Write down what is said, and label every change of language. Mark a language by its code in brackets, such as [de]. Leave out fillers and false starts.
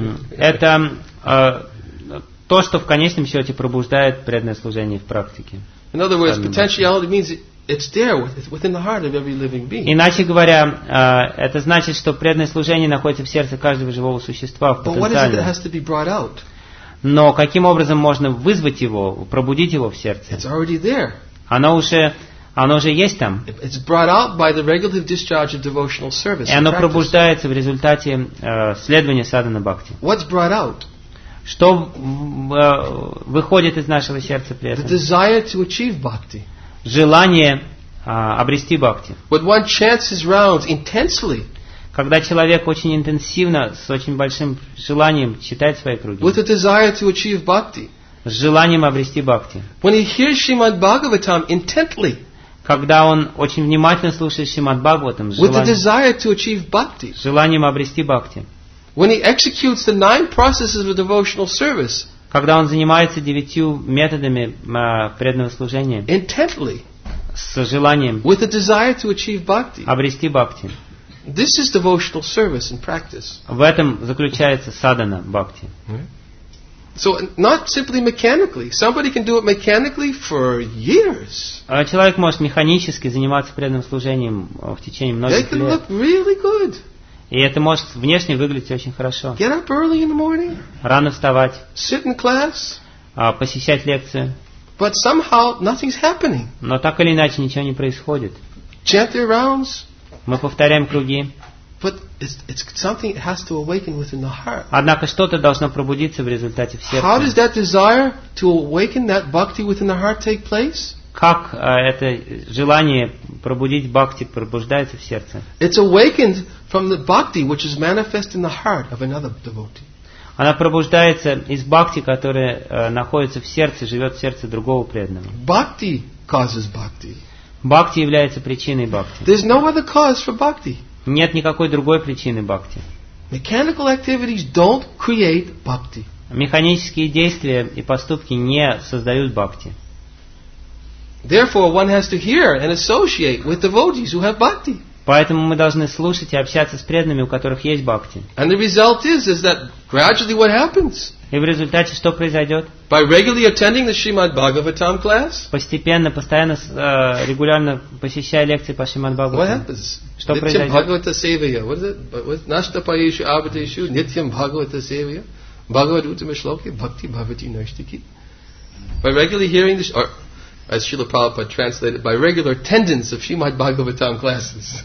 [ru] Это то, что в конечном счете пробуждает преданное служение в практике. [en] In other words, potentiality means it's there within the heart of every living being. [ru] Иначе говоря, это значит, что преданное служение находится в сердце каждого живого существа в потенциале. [en] But what is it that has to be brought out? [ru] Но каким образом можно вызвать его, пробудить его в сердце? [en] It's already there. [ru] Оно уже есть там. [en] It's brought out by the regulative discharge of devotional service. [ru] И оно пробуждается в результате следования садхана бхакти. [en] What's brought out? [ru] Что выходит из нашего сердца при этом? [en] The desire to achieve bhakti. [ru] Желание обрести бхакти. [en] When one chants his rounds intensely. [ru] Когда человек очень интенсивно, с очень большим желанием читает свои круги. [en] With a desire to achieve bhakti. [ru] С желанием обрести бхакти. [en] When he hears Shrimad Bhagavatam intently. [ru] Когда он очень внимательно слушает Шримад Бхагаватам, [en] with a desire to achieve bhakti. [ru] С желанием обрести бхакти. [en] When he executes the nine processes of devotional service, [ru] когда он занимается девятью методами преданного служения, [en] intently, [ru] с желанием, [en] with a desire to achieve bhakti, [ru] обрести бхакти, [en] this is devotional service in practice. [ru] В этом заключается садхана бхакти. [en] So not simply mechanically. Somebody can do it mechanically for years. [ru] Человек может механически заниматься преданным служением в течение многих лет. [en] They can look really good. [ru] И это может внешне выглядеть очень хорошо. [en] Get up early in the morning. [ru] Рано вставать. [en] Sit in class. [ru] Посещать лекции. [en] But somehow nothing's happening. [ru] Но так или иначе ничего не происходит. [en] Chant the rounds. [ru] Мы повторяем круги. [en] But it's something has to awaken within the heart. [ru] Однако что-то должно пробудиться в результате в сердце. [en] How does that desire to awaken that bhakti within the heart take place? [ru] Как это желание пробудить бхакти пробуждается в сердце? [en] It's awakened from the bhakti which is manifest in the heart of another devotee. [ru] Она пробуждается из бхакти, которая находится в сердце, живет в сердце другого преданного. [en] Bhakti causes bhakti. [ru] Бхакти является причиной бхакти. [en] There's no other cause for bhakti. [ru] Нет никакой другой причины бхакти. [en] Mechanical activities don't create bhakti. [ru] Механические действия и поступки не создают бхакти. [en] Therefore, one has to hear and associate with devotees who have bhakti. [ru] Поэтому мы должны слушать и общаться с преданными, у которых есть бхакти. [en] And the result is that gradually what happens? [ru] И в результате что произойдет? [en] By regularly attending the Shrimad Bhagavatam class? [ru] Постепенно, постоянно, регулярно посещая лекции по Шримад Бхагаватам. [en] What happens? [ru] Что [sa] Nityam [ru] произойдет? [sa] Bhagavata Sevaya. What is it? Nashta Payeshu Abhateshu Nityam Bhagavata Sevaya. Bhagavad Uttama Shloki Bhakti Bhavati Nashtiki. [en] By regularly hearing the as Srila Prabhupada translated, by regular attendance of Srimad Bhagavatam classes.